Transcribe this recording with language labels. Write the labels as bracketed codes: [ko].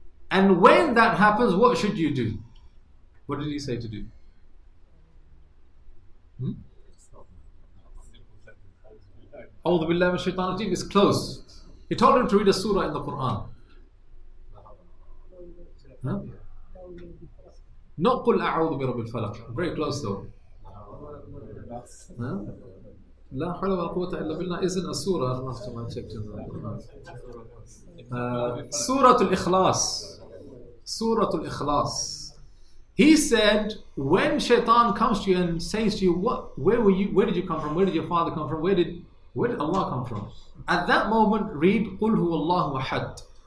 [en] And when that happens, what should you do? What did he say to do? [ar] A'udhu billahi min shaitan rajeem. [en] It's close. He told him to read a surah in the Quran. Not [ar] قُلْ أَعُوذُ بِرَبِّ الْفَلَقِ. [en] Very close though. [ar] لا حول ولا قوة إلا بالله [en] isn't a surah. I don't have to check in the Quran. Suratul Ikhlas. Suratul Ikhlas. He said, when shaitan comes to you and says to you, where were you? Where did you come from? Where did your father come from? Where did Allah come from? At that moment, read, [ar] قُلْ هُوَ اللَّهُ أَحَدْ.